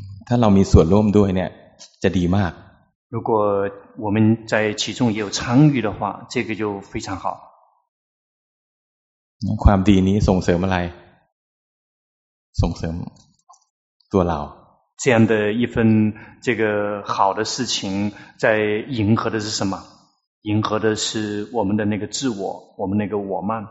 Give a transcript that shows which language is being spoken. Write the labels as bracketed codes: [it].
[th] ถ้าเรามีส่วนร่วมด้วยเนี่ยจะดีมาก [zh] 如果我们在其中也有参与的话这个就非常好 [th] ความดีนี้ส่งเสริมอะไรส่งเสริมตัวเรา [zh] 这样的一份这个好的事情在迎合的是什么迎合的是我们的那个自我我们那个我慢